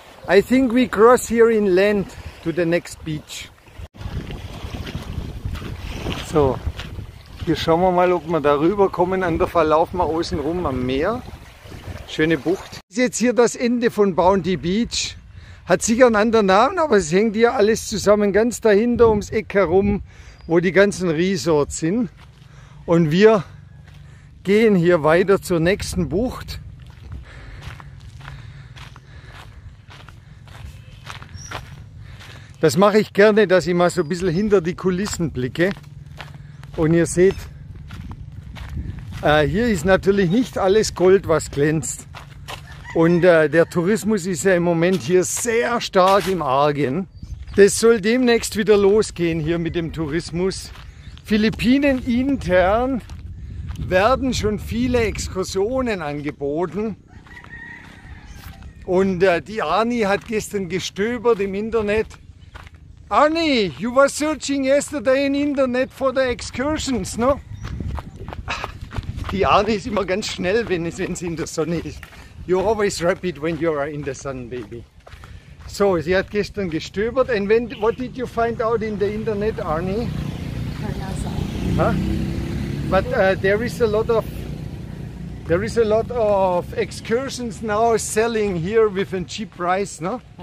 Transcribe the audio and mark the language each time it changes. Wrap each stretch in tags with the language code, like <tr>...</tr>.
<en>I think we cross here in land to the next beach.</en> <de>So, hier schauen wir mal, ob wir da rüber kommen. An der Verlauf mal außen rum am Meer. Schöne Bucht. Das ist jetzt hier das Ende von Bounty Beach. Hat sicher einen anderen Namen, aber es hängt hier alles zusammen. Ganz dahinter ums Eck herum, wo die ganzen Resorts sind. Und wir gehen hier weiter zur nächsten Bucht. Das mache ich gerne, dass ich mal so ein bisschen hinter die Kulissen blicke. Und ihr seht, hier ist natürlich nicht alles Gold, was glänzt. Und der Tourismus ist ja im Moment hier sehr stark im Argen. Das soll demnächst wieder losgehen hier mit dem Tourismus. Philippinen intern werden schon viele Exkursionen angeboten. Und die Ani hat gestern gestöbert im Internet.</de> <en>Arnie, you were searching yesterday in internet for the excursions, no?</en> <de>Die Arnie ist immer ganz schnell, wenn sie in der Sonne ist.</de> <en>You're always rapid when you are in the sun, baby.</en> <de>So, sie hat gestern gestöbert.</de> <en>And when, what did you find out in the internet, Arnie? Huh? But there is a lot of excursions now selling here with a cheap price, no?</en>